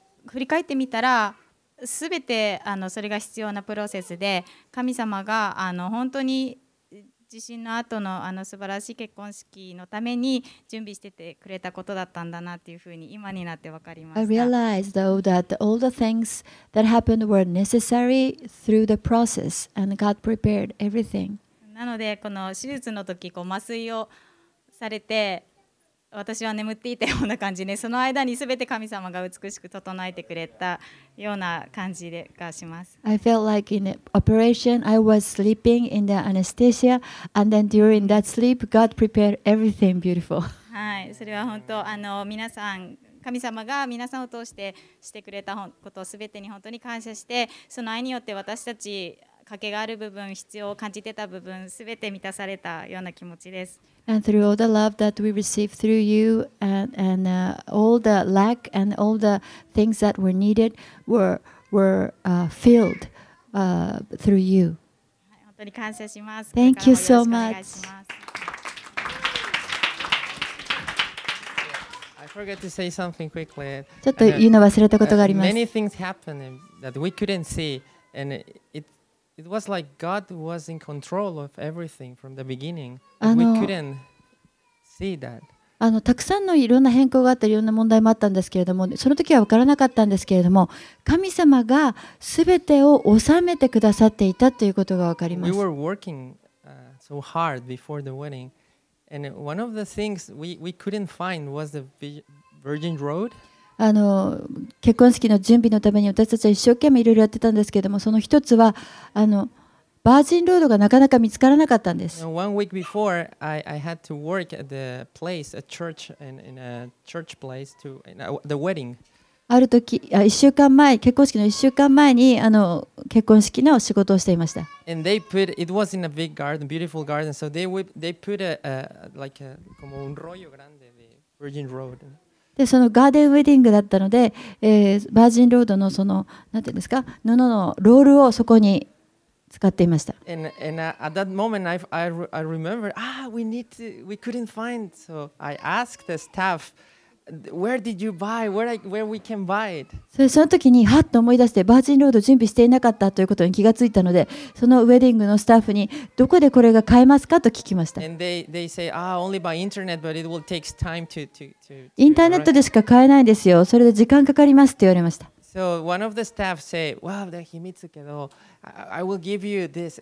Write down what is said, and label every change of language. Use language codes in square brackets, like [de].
[ja] 振り返ってみたら、すべてそれが必要なプロセスで、神様が本当に地震の後の素晴らしい結婚式のために準備しててくれたことだったんだなっていうふうに今になって分かりました。 [en] I realized though that all the things that happened were necessary through the process and God prepared everything. [ja] なのでこの手術の時麻酔をされて。私は眠っていたような感じで、その間にすべて神様が美しく整えてくれたような感じがします。 [en] I felt like in operation, I was sleeping in the anesthesia, and then during that sleep, God prepared everything beautiful. [ja] はい、それは本当、皆さん、神様が皆さんを通してしてくれたことをすべてに本当に感謝して、その愛によって私たち、かけがある部分、必要を感じてた部分、すべて満たされたような気持ちです。 [en] And through all the love that we received through you and all the lack and all the things that were needed were filled through you. [ja] 本当に感謝します。 [en] Thank you so much. I forgot to say something quickly. [ja] ちょっと言うの忘れたことがあります。 [en] Many things happened that we couldn't see and it was like God was in control of everything from the beginning. We couldn't see that. [ja] たくさんのいろんな変更があったり、いろんな問題もあったんですけれども、その時は分からなかったんですけれども、神様がすべてを治めてくださっていたということが分かります。 [en] We were working so hard before the wedding, and one of the things we couldn't find was the virgin road. [ja] 結婚式の準備のために私たちは一生懸命いろいろやってたんですけれども、その一つはバージンロードがなかなか見つからなかったんです。 [en] One week before, I had to work at the place, a church, in a church place, to the wedding. [ja] ある時、1週間前、結婚式の1週間前に結婚式の仕事をしていました。 [en] And they put, it was in a big garden, beautiful garden, so they put a [es] como un rollo grande de [en] virgin road. [ja] でそのガーデンウェディングだったので、バージンロードのそのなんていうんですか布のロールをそこに使っていました。 [en] At that moment, I remember, we couldn't find, so I asked the staff, where did you buy, where we can buy it. [ja] その時にハッと思い出してバージンロード準備していなかったということに気がついたので、そのウェディングのスタッフにどこでこれが買えますかと聞きました。 [en] And they say, only by internet, but it will take time to [ja] インターネットでしか買えないんですよ。それで時間かかりますって言われました。 [en] So one of the staff say, wow, the [ja] 秘密けど、 [en] I will give you this.